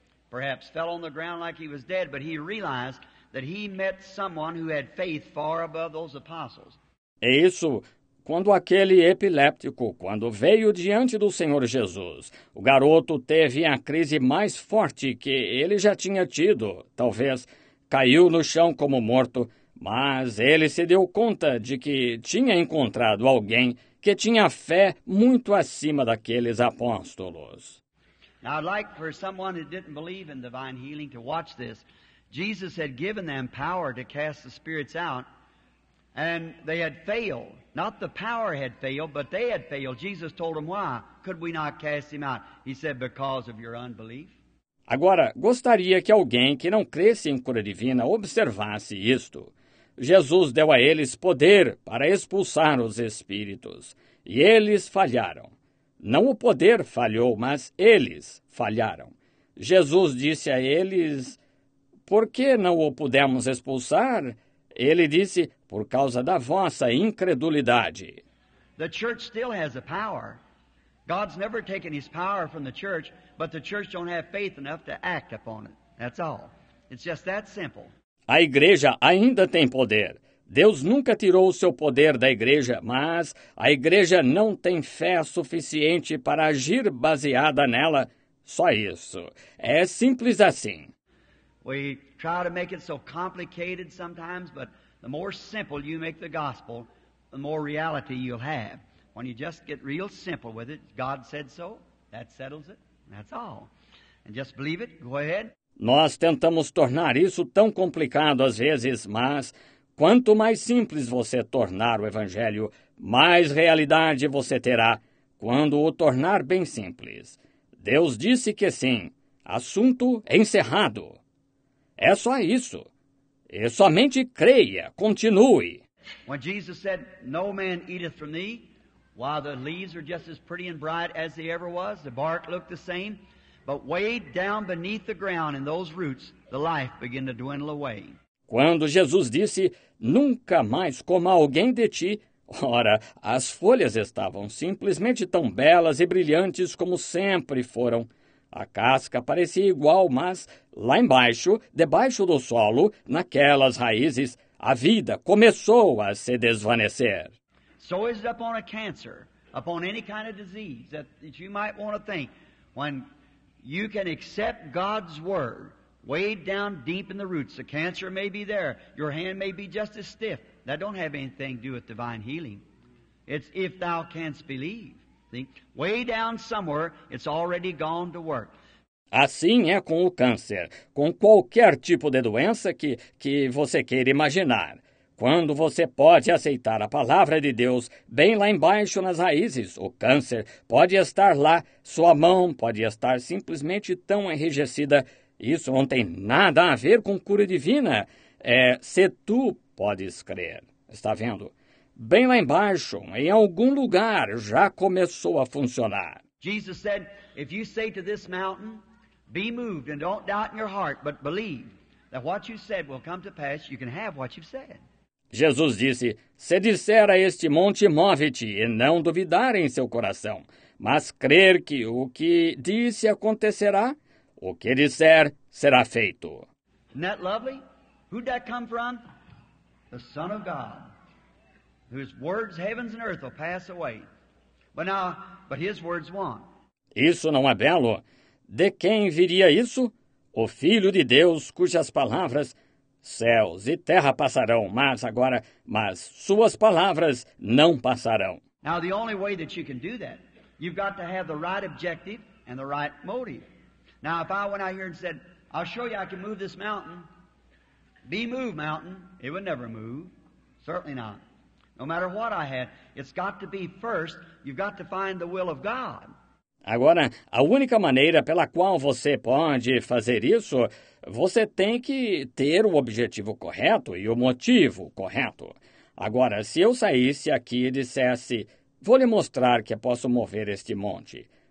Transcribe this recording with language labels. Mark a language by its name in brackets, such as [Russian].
[English] Perhaps fell on the ground like he was dead, but he realized that he met someone who had faith far above those apostles. [Portuguese] É isso. Quando aquele epiléptico, quando veio diante do Senhor Jesus, o garoto teve a crise mais forte que ele já tinha tido, talvez caiu no chão como morto, mas ele se deu conta de que tinha encontrado alguém que tinha fé muito acima daqueles apóstolos. [English] Now, I'd like for someone who didn't believe in divine healing to watch this. Jesus had given them power to cast the spirits out, and they had failed. Not the power had failed, but they had failed. Jesus told them, "Why could we not cast him out?" He said, "Because of your unbelief." [Portuguese] Agora, gostaria que alguém que não cresce em cura divina observasse isto. Jesus deu a eles poder para expulsar os espíritos, e eles falharam. Não o poder falhou, mas eles falharam. Jesus disse a eles, "Por que não o pudemos expulsar?" Ele disse, "Por causa da vossa incredulidade." [English] The church still has a power. God's never taken his power from the church, but the church don't have faith enough to act upon it. That's all. It's just that simple. [Portuguese] A igreja ainda tem poder. Deus nunca tirou o seu poder da igreja, mas a igreja não tem fé suficiente para agir baseada nela. Só isso. É simples assim. [English] We try to make it so complicated sometimes, but the more simple you make the gospel, the more reality you'll have. When you just get real simple with it, God said so, that settles it, that's all. And just believe it, go ahead. [Portuguese] Nós tentamos tornar isso tão complicado às vezes, mas quanto mais simples você tornar o evangelho, mais realidade você terá quando o tornar bem simples. Deus disse que sim. Assunto encerrado. É só isso. E somente creia. Continue. [English] When Jesus said, "No man eateth from thee," while the leaves are just as pretty and bright as they ever was, the bark looked the same, but way down beneath the ground in those roots, the life began to dwindle away. [Portuguese] Quando Jesus disse, "Nunca mais coma alguém de ti," ora, as folhas estavam simplesmente tão belas e brilhantes como sempre foram. A casca parecia igual, mas lá embaixo, debaixo do solo, naquelas raízes, a vida começou a se desvanecer. [English] So is it upon a cancer, upon any kind of disease that you might want to think, when you can accept God's word, way down deep in the roots, the cancer may be there. Your hand may be just as stiff. That don't have anything to do with divine healing. It's if thou canst believe. See? Way down somewhere, it's already gone to work. [Portuguese] Assim é com o câncer, com qualquer tipo de doença que você queira imaginar. Quando você pode aceitar a palavra de Deus bem lá embaixo nas raízes, o câncer pode estar lá, sua mão pode estar simplesmente tão enrijecida. Isso não tem nada a ver com cura divina. É se tu podes crer. Está vendo? Bem lá embaixo, em algum lugar, já começou a funcionar. [English] Jesus said, "If you say to this mountain, be moved and don't doubt in your heart, but believe that what you said will come to pass, you can have what you've said." [Portuguese] Jesus disse, "Se disser a este monte, move-te, e não duvidar em seu coração, mas crer que o que disse acontecerá, o que disser será feito." [English] Isn't that lovely? Who'd that come from? The Son of God, whose words, heavens and earth, will pass away. But his words won. [Portuguese] Isso não é belo? De quem viria isso? O Filho de Deus, cujas palavras, céus e terra passarão, mas suas palavras não passarão. [English] Now, the only way that you can do that, you've got to have the right objective and the right motive. Now, if I went out here and said, I'll show you I can move this mountain, be moved, mountain, it would never move. Certainly not. No matter what I had, it's got to be first, you've got to find the will of God. [Portuguese] Agora, a única maneira pela qual você pode fazer isso, você tem que ter o objetivo correto e o motivo correto. Agora, se eu saísse aqui e dissesse, vou lhe mostrar que posso mover este monte.